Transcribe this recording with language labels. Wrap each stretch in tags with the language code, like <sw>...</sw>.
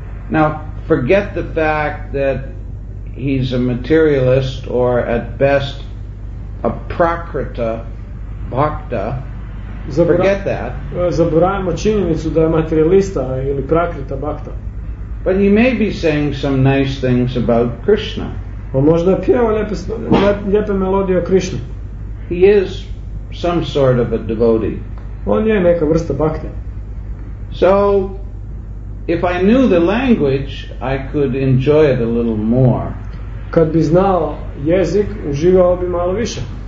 <en>Now, forget the fact that he's a materialist or at best a prakrita bhakta. Forget that.</en> <hr>Zaboravimo činjenicu da je materialista ili prakrita bhakta.</hr> <en>But he may be saying some nice things about Krishna.</en> <hr>Možda pjeva lijepe melodije o Krishna.</hr> <en>He is some sort of a devotee.</en> <hr>On je neka vrsta bhakte.</hr> <en>So if I knew the language, I could enjoy it a little more.</en> <hr>Kad bi znao jezik, uživao bi malo više.</hr>